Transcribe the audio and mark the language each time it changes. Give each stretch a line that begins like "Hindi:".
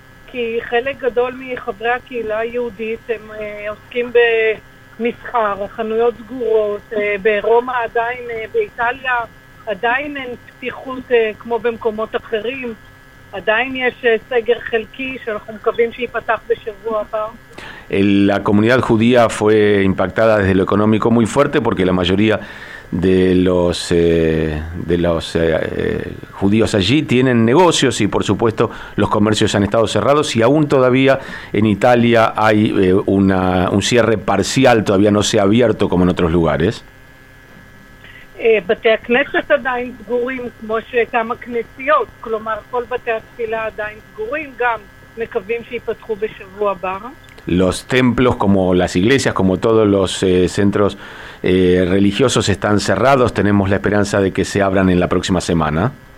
Hebrew: כי חלק גדול מחברי הקהילה היהודית הם עוסקים במסחר, חנויות סגורות, ברומא עדיין, באיטליה עדיין אין פתיחות כמו במקומות אחרים, עדיין יש סגר חלקי שאנחנו מקווים שיפתח בשבוע הבא.
Spanish: La comunidad judía fue impactada desde lo económico muy fuerte porque la mayoría de los judíos allí tienen negocios y por supuesto los comercios han estado cerrados y aún todavía en Italia hay un cierre parcial, todavía no se ha abierto como en otros lugares.
Hebrew: בתי הכנסת עדיין סגורים כמו שכמה כנסיות, כלומר כל בתי התפילה עדיין סגורים, גם מקווים שיפתחו בשבוע הבא.
Spanish: Los templos, como las iglesias, como todos los centros religiosos están cerrados. Tenemos la esperanza de que se abran en la próxima semana.